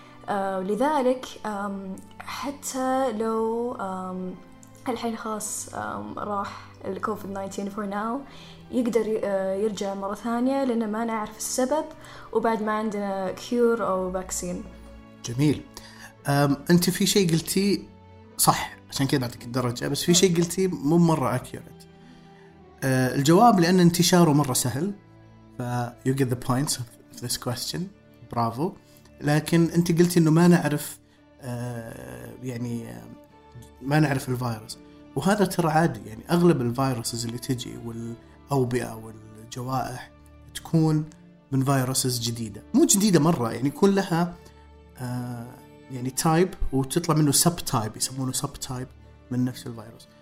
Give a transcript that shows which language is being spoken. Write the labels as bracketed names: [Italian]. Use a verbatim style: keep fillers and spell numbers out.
[Arabic] آه لذلك آه حتى لو آه الحين خاص راح الكوفيد تسعة عشر [English] for now، [Arabic] يقدر يرجع مرة ثانية لأنه ما نعرف السبب وبعد ما عندنا cure أو vaccine. جميل. أنت في شيء قلتي صح عشان كده أعطيك الدرجة، بس في شيء قلتي مو مرة accurate. الجواب لأن انتشاره مرة سهل، [English] you get the points of this question، [Arabic] برافو. لكن أنت قلتي إنه ما نعرف، يعني ما نعرف الفيروس، وهذا ترى عادي. يعني أغلب الفيروسز اللي تجي والأوبئة والجوائح تكون من فيروسز جديدة، مو جديدة مرة، يعني يكون لها آه يعني تايب وتطلع منه سب تايب، يسمونه سب تايب من نفس الفيروس.